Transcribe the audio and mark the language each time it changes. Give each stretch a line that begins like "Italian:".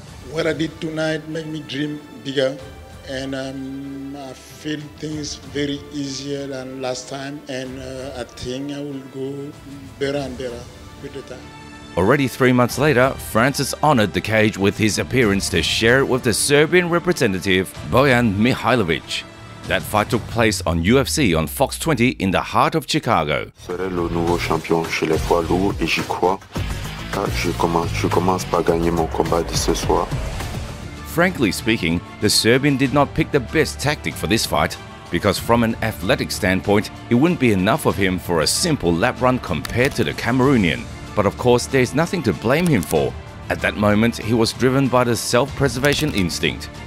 English: What I did tonight made me dream bigger, and I feel things very easier than last time, and I think I will go better and better with the time. Already 3 months later, Francis honored the cage with his appearance to share it with the Serbian representative, Bojan Mihailovic. That fight took place on UFC on Fox 20 in the heart of Chicago.
French: Serai le nouveau champion chez les poids lourds et j'y crois. Car je commence par gagner mon combat de ce soir.
English: Frankly speaking, the Serbian did not pick the best tactic for this fight, because from an athletic standpoint, it wouldn't be enough of him for a simple lap run compared to the Cameroonian. But of course, there's nothing to blame him for. At that moment, he was driven by the self-preservation instinct.